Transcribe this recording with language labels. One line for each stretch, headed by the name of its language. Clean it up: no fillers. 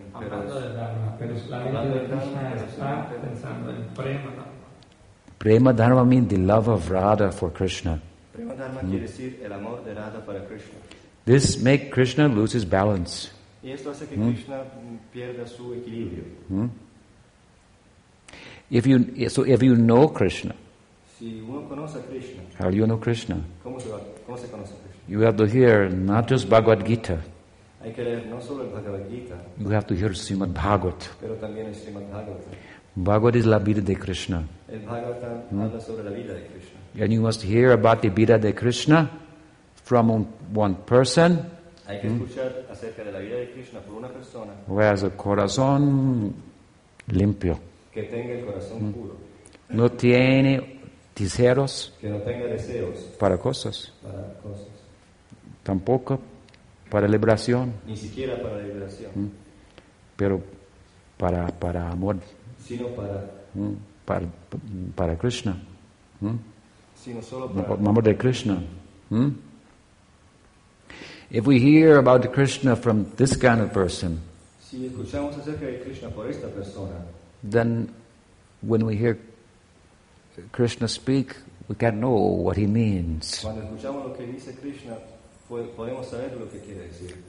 Spanish: pero hablando del Dharma, pero está pensando en Prema Dharma.
English: Prema Dharma means the love of Radha for Krishna.
Spanish: Prema Dharma quiere decir el amor de Radha para Krishna.
English: This makes Krishna lose his balance.
Spanish: Y esto hace que Krishna pierda su equilibrio.
English: If you know Krishna,
Spanish: si uno conoce a Krishna,
English: how do you know Krishna?
Spanish: ¿Cómo se conoce a Krishna?
English: You have to hear not just Bhagavad Gita.
Spanish: Hay que leer no solo el Bhagavad Gita.
English: You have to hear Srimad Bhagavat.
Spanish: Pero también el Srimad Bhagavat. Bhagavat is la vida de Krishna. El Bhagavatam habla sobre la vida de Krishna.
English: And you must hear about the
Spanish: vida de Krishna
English: from one person.
Spanish: Hay que escuchar acerca de la vida de Krishna por una persona.
English: Who has a
Spanish: corazón limpio. Que tenga el corazón puro. No tiene deseos. Que no tenga deseos. Para cosas. Para cosas. Tampoco para liberación. Ni siquiera para liberación. Pero para amor. Sino para. Para Krishna. Sino solo para. Amor de Krishna.
English: If we hear about Krishna from this kind of person,
Spanish: si escuchamos acerca de Krishna por esta persona,
English: then when we hear Krishna speak, We can know what he means.
Spanish: Cuando escuchamos lo que dice Krishna, podemos saber lo que quiere decir.